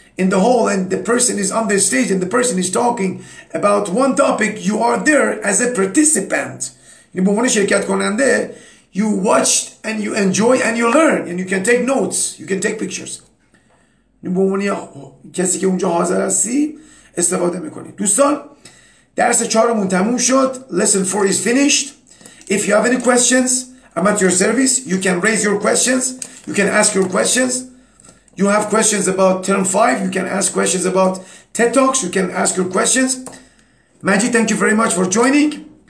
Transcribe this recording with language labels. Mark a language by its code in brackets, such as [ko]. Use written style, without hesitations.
[en] in the hall and the person is on the stage and the person is talking about one topic, you are there as a participant. [fa] به عنوان شرکت کننده, [en] you watch and you enjoy and you learn and you can take notes, you can take pictures. [fa] به عنوان کسی که اونجا حاضر هستی استفاده میکنی. دوستان, درس 4مون تموم شد. [en] Lesson 4 is finished. If you have any questions, I'm at your service. You can raise your questions. You can ask your questions. You have questions about term 5. You can ask questions about TED Talks. You can ask your questions. Majid, thank you very much for joining.